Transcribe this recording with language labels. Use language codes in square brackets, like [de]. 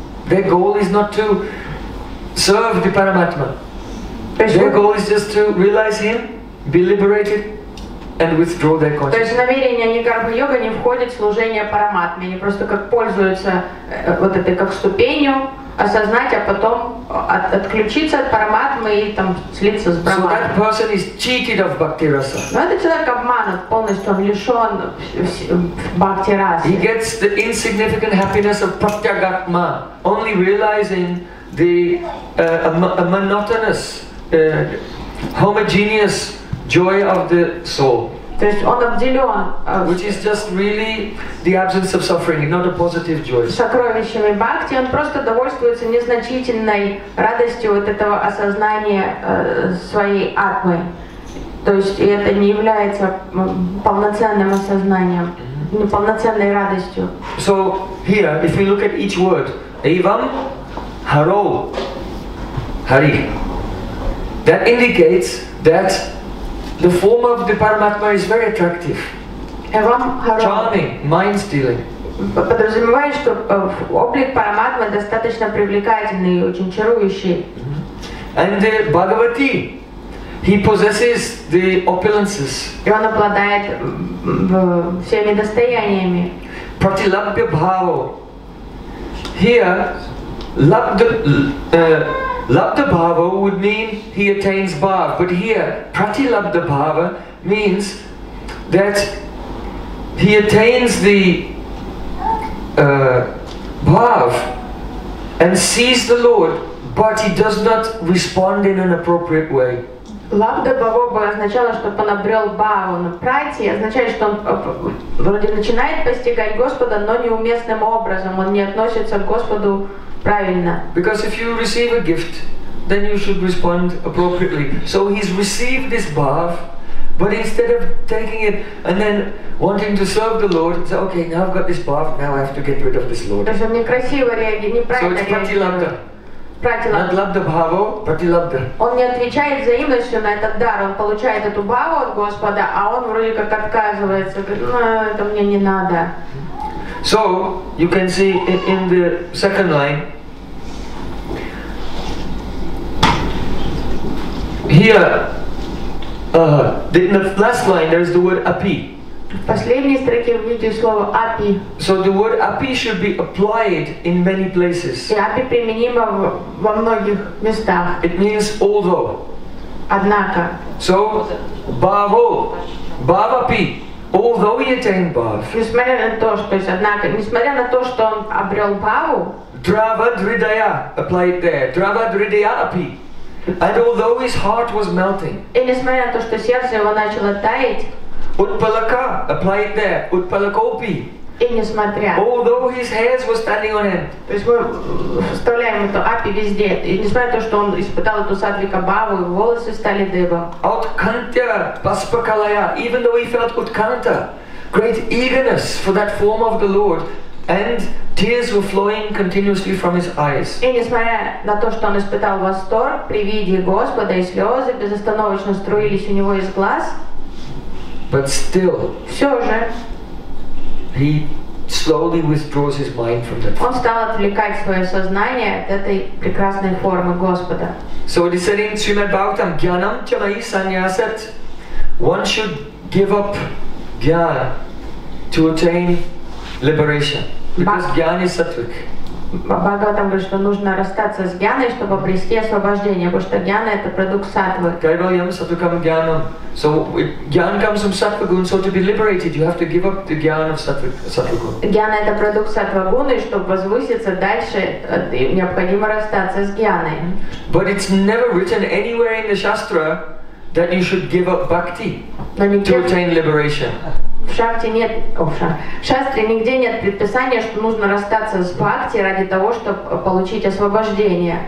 [en] Their goal is not to serve the Paramatma. Their goal is just to realize him, be liberated, and withdraw their consciousness. [ru] То есть намерение Нигарбха йога не входит в служение Параматме, они просто как пользуются вот этой как ступенью осознать, а потом отключиться от Параматмы и там слиться с Брахманом. [en] So that person is cheated of bhakti rasa. [ru] Но этот человек обманут полностью, он лишен бхакти расы. [en] He gets the insignificant happiness of pratyagatma, only realizing the monotonous, homogeneous joy of the soul. [ru] То есть он обделён, [en] which is just really the absence of suffering, not a positive joy. [ru] Сокровищами бхакти он просто довольствуется незначительной радостью вот этого осознания своей атмы. То есть и это не является полноценным осознанием, неполноценной радостью. [en] So here, if we look at each word, evam, haro, hari, that indicates that the form of the Paramatma is very attractive, charming, mind-stealing. [ru] Подразумевает, что облик Параматмы достаточно привлекательный и очень чарующий. [en] And the Bhagavati, he possesses the opulences. [ru] И он обладает всеми достояниями. [sa] Pratilabhya bhava. [en] Here, Labdha bhava would mean he attains bhava, but here pratilabdha bhava means that he attains the bhava and sees the Lord, but he does not respond in an appropriate way. [ru] Labdha bhava означало, что он обрел бхаву, но прати означает, что он вроде начинает постигать Господа, но неуместным образом, он не относится к Господу правильно. [en] Because if you receive a gift, then you should respond appropriately. So he's received this bath, but instead of taking it and then wanting to serve the Lord, say, okay, now I've got this bath, now I have to get rid of this Lord. So it's [sa] pratilabdha. [ru] Он не отвечает взаимностью на этот дар, он получает эту бхаву от Господа, а он вроде как отказывается, говорит, ну это мне не надо. [en] So you can see in the second line here, in the last line there is the word api. [ru] В последней строке вы видите слово api. [en] So the word api should be applied in many places. [ru] И api применимо во многих местах. [en] It means although. [ru] Однако. [en] So bhavo, bhavapi, although he attained bhav. [ru] Несмотря на то, что есть однако, несмотря на то, что он обрел bhavu. [en] Dravadhridaya, apply it there. Dravadhridaya api. And although his heart was melting. [ru] И несмотря на то, что сердце его начало таять. [en] Utpalaka, apply it there. Utpalakopi. [ru] И несмотря. [en] Although his hands were standing on end. [ru] То есть мы вставляем эту api везде. И несмотря на то, что он испытал эту сатвика бхаву, его волосы стали дыбом. [sa] Utkanta, paspakalaya. [en] Even though he felt utkanta, great eagerness for that form of the Lord, and tears were flowing continuously from his eyes. [ru] И несмотря на то, что он испытал восторг при виде Господа, и слезы безостановочно струились у него из глаз. [en] But still, [ru] все же, [en] he slowly withdraws his mind from that. [ru] Он стал отвлекать свое сознание от этой прекрасной формы Господа. [en] So it is said in Srimad Bhagavatam, [sa] Gyanam Chamayi Sanyasat. [en] One should give up Gyan to attain liberation. Because Gyan is Sattvic. [ru] Бхагаватам говорит, что нужно расстаться с гьяной, чтобы обрести освобождение, потому что гьяна это продукт сатвы. [sa] Кайвальям сатвикам гьянам. [en] So гьян comes from сатвагун, so to be liberated, you have to give up the гьяна of сатвагун. [ru] Гьяна это продукт сатвагуны, и чтобы возвыситься дальше, необходимо расстаться с гьяной. [en] But it's never written anywhere in the Shastra that you should give up bhakti to attain liberation. [ru] В шастре нигде нет предписания, что нужно расстаться с бхакти ради того, чтобы получить освобождение.